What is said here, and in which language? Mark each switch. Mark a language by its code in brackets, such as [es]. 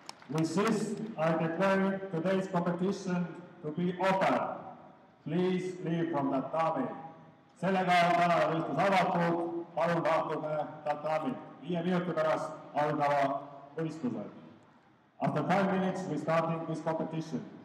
[en] With this, I declare today's competition to be open. Please leave from the tatami. [et] Sellega on täna võistlus avatud. Palun vaatame tatami. 5 minuti pärast algava võistluse. [en] After 5 minutes, we starting this competition.